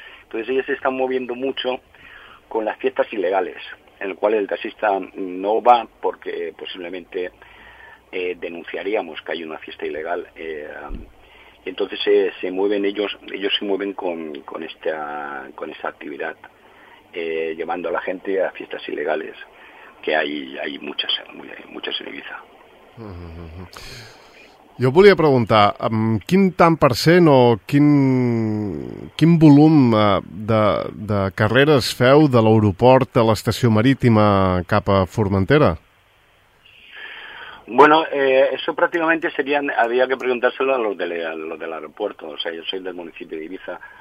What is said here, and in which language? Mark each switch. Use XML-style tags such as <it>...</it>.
<es>Entonces ellos se están moviendo mucho con las fiestas ilegales, en el cual el taxista no va porque posiblemente denunciaríamos que hay una fiesta ilegal. Y entonces se mueven ellos se mueven con esta actividad, llevando a la gente a fiestas ilegales. Que hay muchas en Ibiza. Uh-huh.</es> <ca>Jo volia preguntar, amb quin tant per cent o quin volum de carreres feu de l'aeroport a l'estació marítima cap a Formentera?</ca> <es>Bueno, eso prácticamente había que preguntárselo a los del aeropuerto, o sea, yo soy del municipio de Ibiza.</es>